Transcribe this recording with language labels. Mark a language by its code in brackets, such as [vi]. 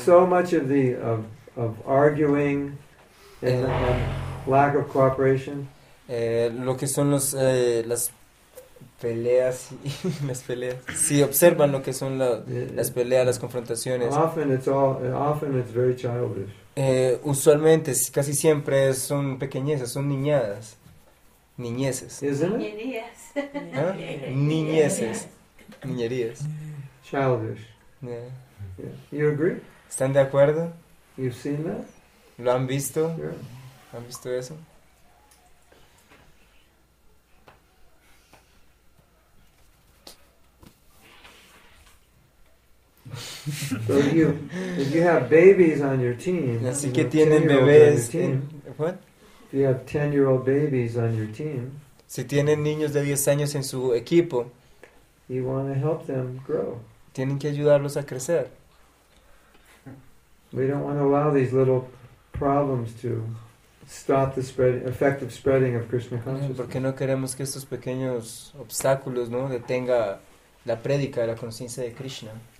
[en] So much of the of arguing and lack of cooperation. [es] Lo que son los las peleas y las peleas. Si observan lo que son las peleas, las confrontaciones. [en] Often it's very childish. [es] Usualmente, casi siempre son pequeñezas, son niñadas. Niñeces. Niñeces. Niñerías. [en] Childish. Yeah. You agree? [es] ¿Están de acuerdo? [en] You've seen that? [es] ¿Lo han visto? [en] Sure. [es] ¿Han visto eso? [en] So if you have babies on your team, [es] así que tienen bebés. [en] What? If you have 10-year-old babies on your team, [es] si tienen niños de 10 años en su equipo, [en] you want to help them grow. [es] Tienen que ayudarlos a crecer. [en] We don't want to allow these little problems to stop the effective spreading of Krishna consciousness. [es] Porque no queremos que estos pequeños obstáculos, ¿no?, detenga la prédica de la conciencia de Krishna.